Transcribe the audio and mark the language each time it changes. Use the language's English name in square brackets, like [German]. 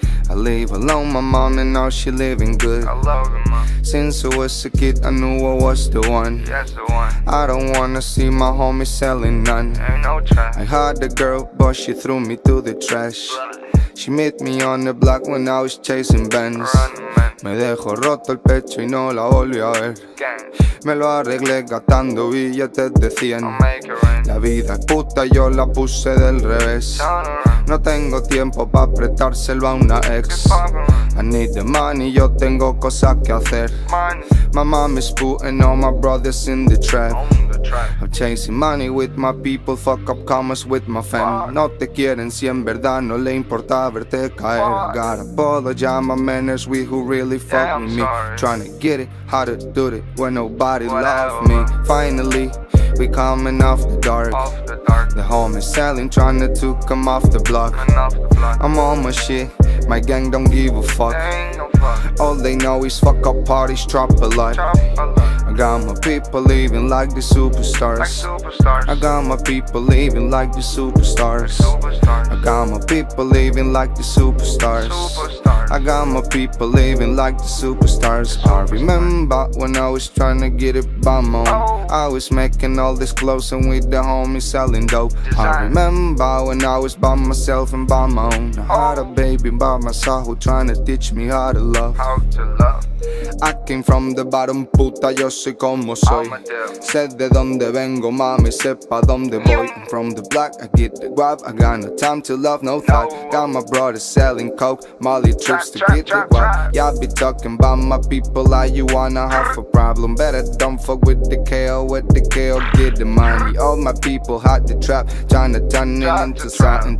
[English] I live alone, my mom, and now she living good. I love him, since I was a kid, I knew I was the one. Yes, the one. I don't wanna see my homie selling none. Ain't no trash. I had the girl, but she threw me to the trash. She met me on the block when I was chasing Benz. [Spanish] Me dejó roto el pecho y no la volví a ver. Me lo arreglé gastando billetes de 100. La vida es puta, yo la puse del revés. No tengo tiempo pa' prestárselo a una ex. [English] I need the money, [Spanish] yo tengo cosas que hacer. [English] My mom is putting all my brothers in the trap. I'm chasing money with my people, fuck up commas with my fam. [Spanish] No te quieren si en verdad no le importa verte caer. [English] Gotta apologize, my man is we who really fuck with me. Tryna get it, how to do it when nobody love me. Finally, we coming off the dark. The homie selling, tryna to come off the block. I'm on my shit, my gang don't give a fuck. All they know is fuck up parties, drop a lot. I got my people living like the superstars. I got my people living like the superstars. I got my people living like the superstars. I got my people living like the superstars. I remember when I was trying to get it by my own. I was making all this clothes and with the homies selling dope. I remember when I was by myself and by my own. I had a baby by my side who trying to teach me how to love. I came from the bottom, [Spanish] puta, yo soy como soy. Sé de donde vengo, mami, sepa donde voy. [English] I'm from the block, I get the guap. I got no time to love, no thought. Got my brother selling coke, Molly trips to get the guap. Yeah, I be talking about my people, like you wanna have a problem. Better don't fuck with the KO, with the KO, get the money. All my people hot the trap, tryna turn it into something.